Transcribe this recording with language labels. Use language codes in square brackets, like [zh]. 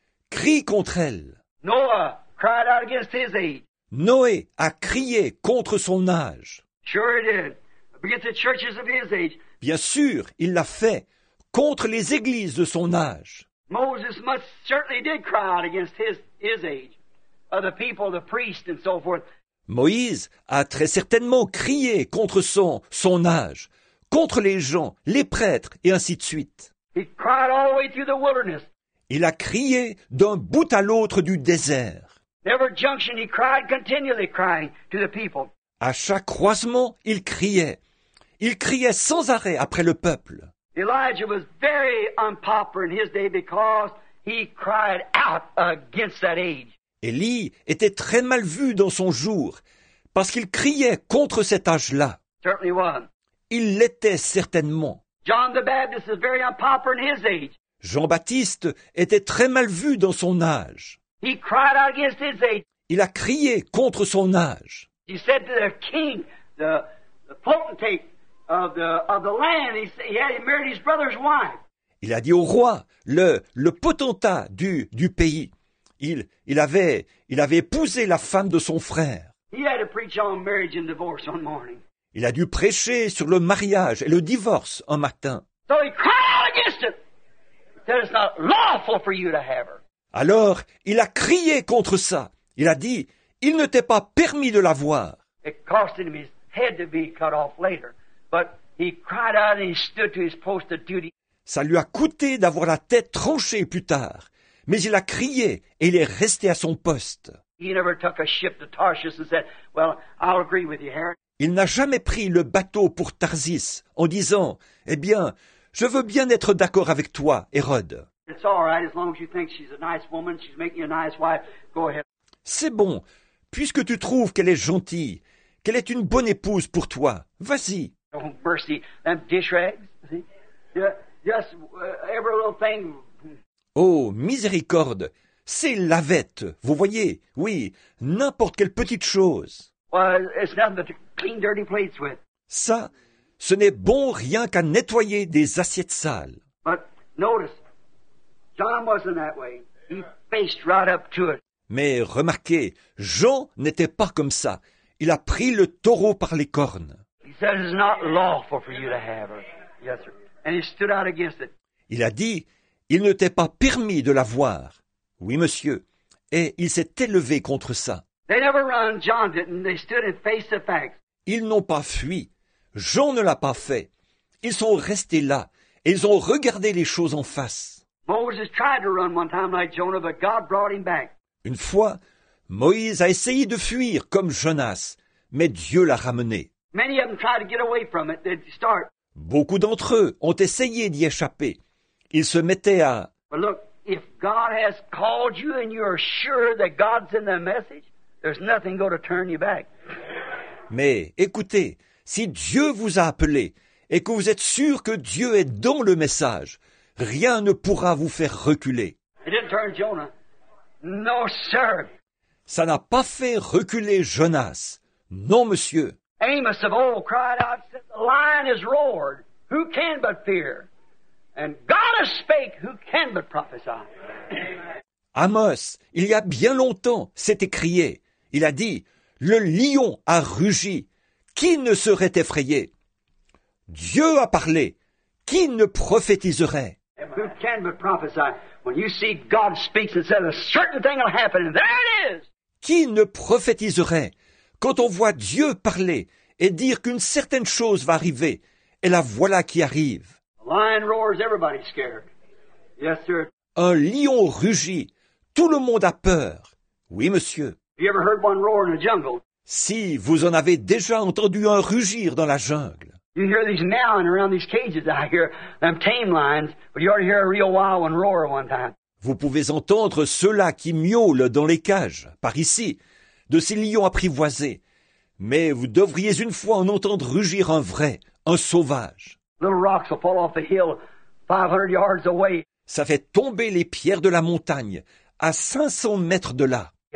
[fr] Crie contre elle. [en] Noah cried out against his age. [fr] Noé a crié contre son âge. [en] Sure he did. Against the churches of his age. [fr] Bien sûr, il l'a fait contre les églises de son âge. [en] Moses must certainly did cry out against his age, of the people, the priests, and so forth. [fr] Moïse a très certainement crié contre son âge, contre les gens, les prêtres, et ainsi de suite. [en] He cried all the way through the wilderness. [fr] Il a crié d'un bout à l'autre du désert. [en] Every junction, he cried continually crying to the people. [fr] À chaque croisement, il criait. Il criait sans arrêt après le peuple. [en] Elijah was very unpopular in his day because he cried out against that age. [fr] Élie était très mal vu dans son jour parce qu'il criait contre cet âge-là. [en] Certainly was. [fr] Il l'était certainement. [en] John the Baptist was very unpopular in his age. [fr] Jean-Baptiste était très mal vu dans son âge. [en] He cried out against his age. [fr] Il a crié contre son âge. [en] He said to the king, the potentate of the land, he married his brother's wife. [fr] Il a dit au roi, le potentat du pays. Il avait épousé la femme de son frère. [en] He had to preach on marriage and divorce one morning. [fr] Il a dû prêcher sur le mariage et le divorce un matin. [en] So he cried against it. That it's not lawful for you to have her. [fr] Alors, il a crié contre ça. Il a dit, il ne t'est pas permis de l'avoir. [en] It cost him his head to be cut off later. But he cried out and he stood to his post of duty. [fr] Ça lui a coûté d'avoir la tête tranchée plus tard. Mais il a crié et il est resté à son poste. [en] He never took a ship to Tarshish and said, well, I'll agree with you, Herod. [fr] Il n'a jamais pris le bateau pour Tarsis en disant, eh bien, je veux bien être d'accord avec toi, Hérode. [en] It's all right, as long as you think she's a nice woman, she's making a nice wife, go ahead. [fr] C'est bon, puisque tu trouves qu'elle est gentille, qu'elle est une bonne épouse pour toi, vas-y. [en] Oh, mercy, them dish rags, see? Just every little thing. [fr] Oh, miséricorde, ces lavettes, vous voyez, oui, n'importe quelle petite chose. [en] Well, it's nothing to clean dirty plates with. [fr] Ça, ce n'est bon rien qu'à nettoyer des assiettes sales. [en] But notice, John wasn't that way. He faced right up to it. [fr] Mais remarquez, Jean n'était pas comme ça. Il a pris le taureau par les cornes. [en] He said it's not lawful for you to have her. Yes, sir. And he stood out against it. [fr] Il a dit, il ne t'est pas permis de la voir. Oui, monsieur. Et il s'est élevé contre ça. [en] They never run. John didn't. They stood and faced the facts. [fr] Ils n'ont pas fui. Jean ne l'a pas fait. Ils sont restés là. Et ils ont regardé les choses en face. [en] Moses tried to run one time like Jonah, but God brought him back. [fr] Une fois, Moïse a essayé de fuir comme Jonas, mais Dieu l'a ramené. [en] Many of them tried to get away from it. They'd start. [fr] Beaucoup d'entre eux ont essayé d'y échapper. Ils se mettaient à... [en] But look, if God has called you and you are sure that God's in the message, there's nothing going to turn you back. [fr] Mais écoutez, si Dieu vous a appelé et que vous êtes sûr que Dieu est dans le message, Rien ne pourra vous faire reculer. [en] It didn't turn Jonah. No, sir. [fr] Ça n'a pas fait reculer Jonas. Non, monsieur. [en] Amos of old cried out, said, the lion has roared. Who can but fear? And God has spake, who can but prophesy? [fr] Amos, il y a bien longtemps, s'est écrié. Il a dit, le lion a rugi. Qui ne serait effrayé? Dieu a parlé. Qui ne prophétiserait? [en] Who can but prophesy? When you see God speaks and says a certain thing will happen, and there it is! [fr] Qui ne prophétiserait? Quand on voit Dieu parler et dire qu'une certaine chose va arriver, et la voilà qui arrive. [en] A lion roars, everybody's scared. Yes, sir. [fr] Un lion rugit. Tout le monde a peur. Oui, monsieur. [en] Have you ever heard one roar in a jungle? [fr] Si, vous en avez déjà entendu un rugir dans la jungle. [en] You hear these now and around these cages I hear them tame lions, but you ought to hear a real wild one roar one time. [fr] Vous pouvez entendre ceux-là qui miaulent dans les cages, par ici, de ces lions apprivoisés. Mais vous devriez une fois en entendre rugir un vrai, un sauvage. [en] Little rocks will fall off the hill 500 yards away. [fr] Ça fait tomber les pierres de la montagne à 500 mètres de là.